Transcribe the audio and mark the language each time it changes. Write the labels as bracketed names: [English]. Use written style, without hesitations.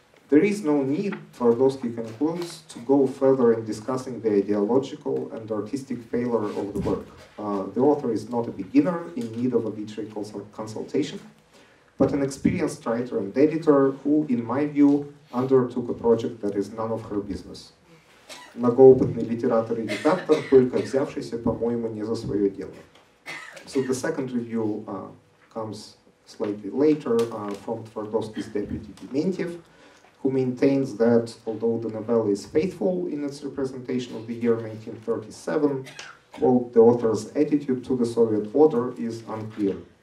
[English] There is no need, Tverdovsky concludes, to go further in discussing the ideological and artistic failure of the work. The author is not a beginner in need of a literary consultation, but an experienced writer and editor who, in my view, undertook a project that is none of her business. [Russian] Многоопытный литератор и редактор, только взявшийся, по-моему, не за свое дело. [English] So the second review comes slightly later from Tverdovsky's deputy Dementiev, who maintains that although the novella is faithful in its representation of the year 1937, quote, the author's attitude to the Soviet order is unclear.